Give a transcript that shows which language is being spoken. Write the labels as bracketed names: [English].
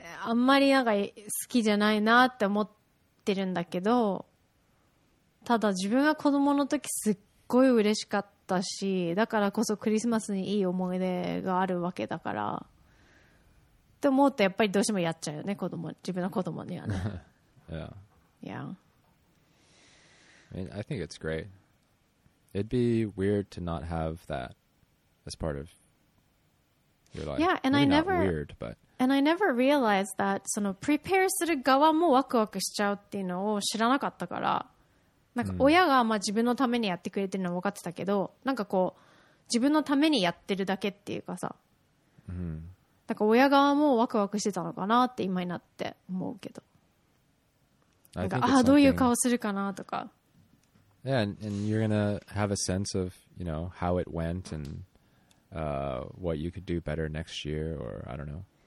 [Japanese] あんまりなんか好きじゃないなって思ってるんだけど、ただ自分が子どもの時すっごい嬉しかったし、だからこそクリスマスにいい思い出があるわけだからって思うと、やっぱりどうしてもやっちゃうよね、子供、自分の子供にはね。 [English] yeah. Yeah. I mean, I think it's great. It'd be weird to not have that as part of your life. Yeah, and maybe I never not weird, but and I never realized that [Japanese] その prepare する側もワクワクしちゃうっていうのを知らなかったから、なんか親がまあ自分のためにやってくれてるのは分かってたけど、なんかこう自分のためにやってるだけっていうかさ、なんか親側もワクワクしてたのかなって今になって思うけど。どういう顔するかなとか。 [English] Yeah, and you're gonna have a sense of, you know, how it went and what you could do better next year, or I don't know.